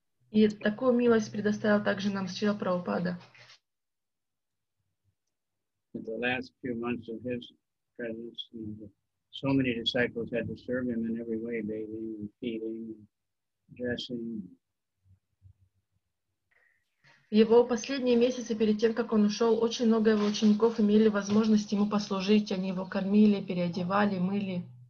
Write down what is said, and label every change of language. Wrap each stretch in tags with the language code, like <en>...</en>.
<ru>И такую милость предоставил также нам Шрила Прабхупада.</ru> <en>In the last few months of his presence, you know, so many disciples had to serve him in every way, bathing and feeding and dressing.</en> <ru>Его последние месяцы перед тем, как он ушел, очень много его учеников имели возможность ему послужить. Они его кормили, переодевали, мыли.</ru>